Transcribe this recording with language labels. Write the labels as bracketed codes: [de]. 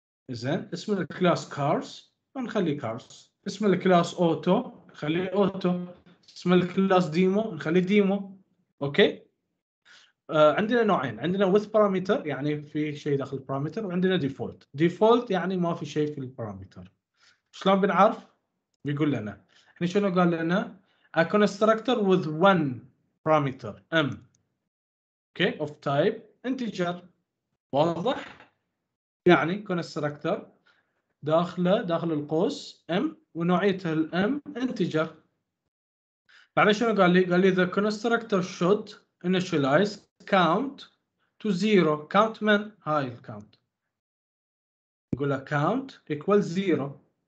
[ar] زين اسم الكلاس cars نخليه cars، اسم الكلاس auto نخليه auto، اسم الكلاس demo نخليه demo. اوكي. عندنا نوعين، عندنا with parameter يعني في شيء داخل parameter، وعندنا default. default يعني ما في شيء في parameter. شلون بنعرف؟ بيقول لنا احنا شنو قال لنا [en] a constructor with one parameter m okay of type integer. [ar] واضح؟ يعني constructor داخل القوس m ونوعيته الm integer. بعد شنو قال لي؟ قال لي [en] the constructor should initialize count to zero. [ar] count من هاي الكاونت، نقول له count equal zero.